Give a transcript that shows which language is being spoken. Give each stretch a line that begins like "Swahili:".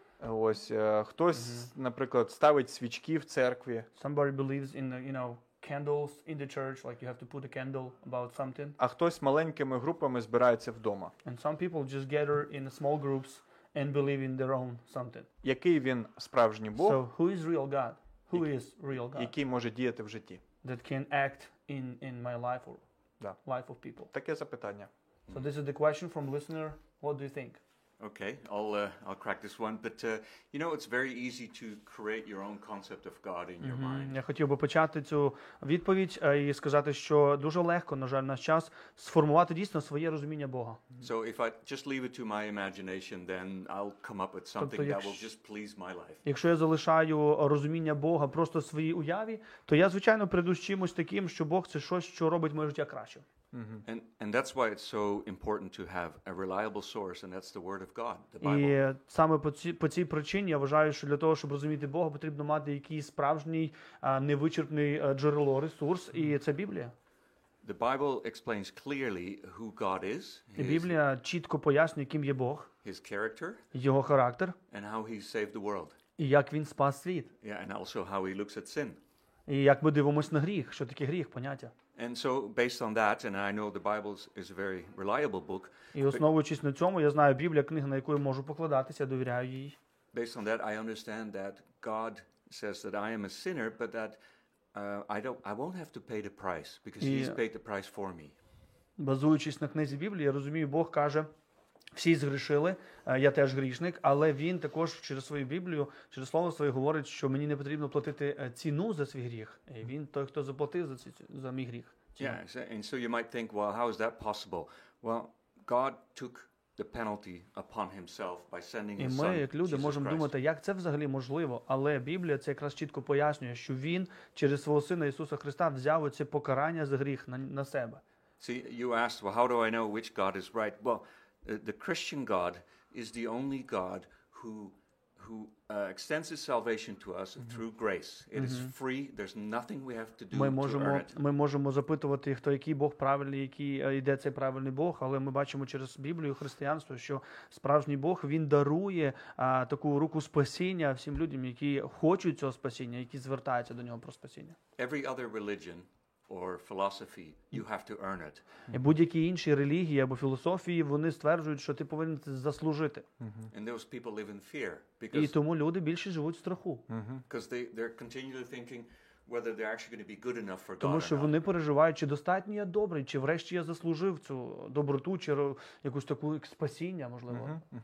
Ukrainian: Ось, хтось, наприклад, ставить свічки в церкві.
English: Somebody believes in, you know, candles in the church, like you have to put a candle about something.
Ukrainian: А хтось маленькими групами збирається вдома.
English: And some people just gather in small groups and believe in their own something.
Ukrainian: Який він справжній Бог?
English: So who is real God? Who is real God?
Ukrainian: Який може діяти в житті?
English: That can act in my life or life of people.
Ukrainian: Таке запитання.
English: So this is the question from listener. What do you think? Okay, I'll crack this one, but you know, it's very easy to create your own concept of God in your mind.
Ukrainian: Я хотів би почати цю відповідь і сказати, що дуже легко, на жаль, на час сформувати дійсно своє розуміння Бога.
English: So if I just leave it to my imagination, then I'll come up with something that will just please my life.
Ukrainian: Якщо я залишаю розуміння Бога просто своїй уяві, то я звичайно прийду з чимось таким, що Бог це щось, що робить моє життя краще. Mm-hmm.
English: And that's why it's so important to have a reliable source, and that's the Word of God, the Bible.
Ukrainian: І саме по цій причині я вважаю, що для того, щоб розуміти Бога, потрібно мати якийсь справжній невичерпний джерело, ресурс, і це Біблія.
English: The Bible explains clearly who God is.
Ukrainian: І Біблія чітко пояснює, ким є Бог.
English: His character.
Ukrainian: Його характер.
English: And how he saved the world.
Ukrainian: І як він спас світ.
English: Yeah, and also how he looks at sin.
Ukrainian: І як ми дивимося на гріх, що таке гріх, поняття.
English: And so based on that, and I know the Bible is a very reliable book.
Ukrainian: І основуючись на цьому, я знаю, Біблія книга, на яку я можу покладатися, довіряю їй.
English: Based on that, I understand that God says that I am a sinner, but that I won't have to pay the price because he's paid the price for me.
Ukrainian: Базуючись на книзі Біблії, я розумію, Бог каже: всі згрішили, я теж грішник, але він також через свою Біблію, через слово своє говорить, що мені не потрібно платити ціну за свій гріх. І він той, хто заплатив за мій гріх.
English: Yeah, and so you might think, well, how is that possible? Well, God took the penalty upon himself by sending his son.
Ukrainian: І ми, як люди, можемо думати, як це взагалі можливо, але Біблія це якраз чітко пояснює, що він через свого сина Ісуса Христа взяв оце покарання за гріх на себе.
English: See, you asked, well, how do I know which God is right? Well, the Christian God is the only God who extends his salvation to us through grace. It is free. There's nothing we have to do to earn it.
Ukrainian: Ми можемо запитувати, хто який Бог правильний, який іде цей правильний Бог, але ми бачимо через Біблію, християнство, що справжній Бог, він дарує таку руку спасіння всім людям, які хочуть цього спасіння, які звертаються до нього про спасіння.
English: Every other religion or philosophy, you have to earn it.
Ukrainian: І будь-які інші релігії або філософії, вони стверджують, що ти повинен це заслужити.
English: And those people live in fear because...
Ukrainian: І тому люди більше живуть в страху.
English: Because they're continually thinking whether they're actually going to be good enough for God.
Ukrainian: Тому що вони переживають, чи достатньо я добрий, чи врешті я заслужив цю доброту, чи якусь таку спасіння, можливо.